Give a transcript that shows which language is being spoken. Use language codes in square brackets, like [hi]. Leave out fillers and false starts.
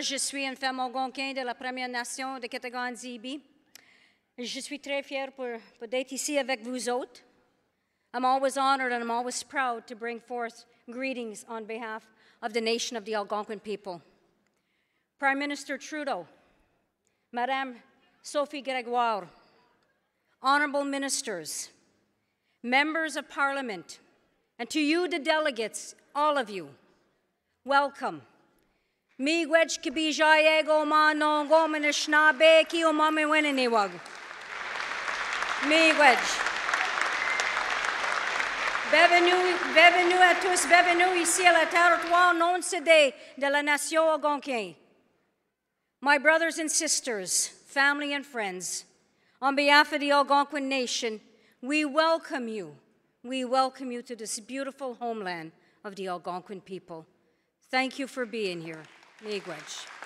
[fr] Je suis un femme algonquin de la Première Nation de Kitigan-Zibi. Je suis très fière pour d'être ici avec vous autres. [en] I'm always honored and I'm always proud to bring forth greetings on behalf of the nation of the Algonquin people. Prime Minister Trudeau, Madame Sophie Gregoire, honorable ministers, members of parliament, and to you, the delegates, all of you, welcome. [alq] Mi gwech kibi jayego ma nongo minishna be ki o mami winini wag. Mi gwech. [fr] Bienvenue à tous, bienvenue ici à la territoire non cédée de la nation Algonquin. [en] My brothers and sisters, family and friends, on behalf of the Algonquin nation, we welcome you. We welcome you to this beautiful homeland of the Algonquin people. Thank you for being here. Miigwech.